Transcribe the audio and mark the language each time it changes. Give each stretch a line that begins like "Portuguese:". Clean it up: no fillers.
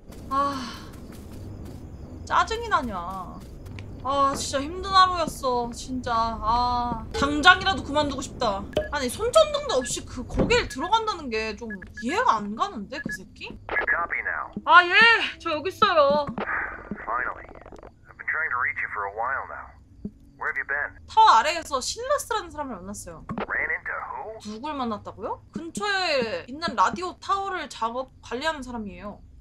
Korean: 아 짜증이 나냐. 아 진짜 힘든 하루였어 진짜. 아 당장이라도 그만두고 싶다. 아니 손전등도 없이 그 거길 들어간다는 게 좀 이해가 안 가는데 그 새끼. 아 예 저 여기 있어요.
English: Finally. I've been trying to reach you for a while now. Where have you been?
Korean: 타워 아래에서 실라스라는 사람을 만났어요.
English: Ran into who?
Korean: 누굴 만났다고요? 근처에 있는 라디오 타워를 작업 관리하는 사람이에요.